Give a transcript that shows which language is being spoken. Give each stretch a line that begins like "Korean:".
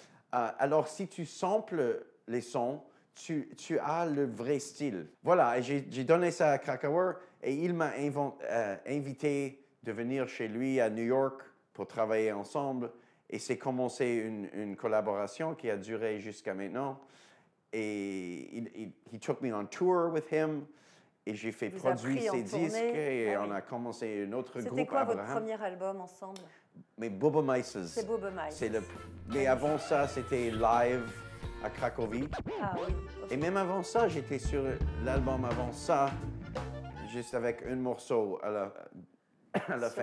French: Alors, si tu samples les sons, tu as le vrai style. Voilà, et j'ai donné ça à Krakauer et il m'a invité de venir chez lui à New York pour travailler ensemble. Et c'est commencé une collaboration qui a duré jusqu'à maintenant.
English: Et he took me on tour with him.
French: Et j'ai fait produire ses disques et on a commencé un autre groupe. C'était quoi votre premier album ensemble? Mais Bubba Mices. C'est Bubba Mices. Mais avant ça, c'était live à Cracovie. Ah oui. Et même avant ça, j'étais sur l'album avant ça, juste avec un morceau à la fin.